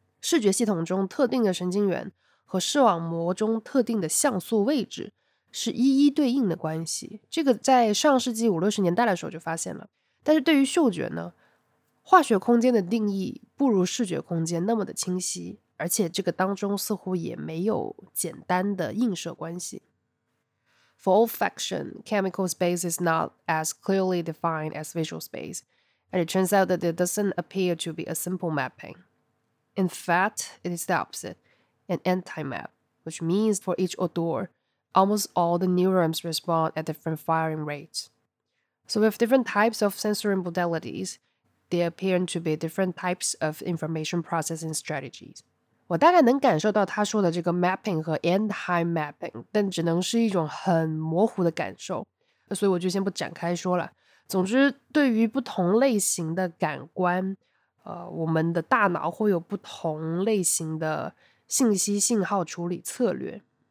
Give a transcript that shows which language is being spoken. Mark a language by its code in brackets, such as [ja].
[zh] 视觉系统中特定的神经元和视网膜中特定的像素位置是一一对应的关系，这个在上世纪50-60年代的时候就发现了。但是对于嗅觉呢，化学空间的定义不如视觉空间那么的清晰，而且这个当中似乎也没有简单的映射关系。 [en] For olfaction, chemical space is not as clearly defined as visual space, and it turns out that it doesn't appear to be a simple mapping. In fact, it is the opposite, an anti-map, which means for each odor, almost all the neurons respond at different firing rates. So with different types of sensory modalities, there appear to be different types of information processing strategies. [zh] 我大概能感受到他说的这个 mapping 和 anti-mapping， 但只能是一种很模糊的感受，所以我就先不展开说了。总之，对于不同类型的感官，我们的大脑会有不同类型的信息信号处理策略。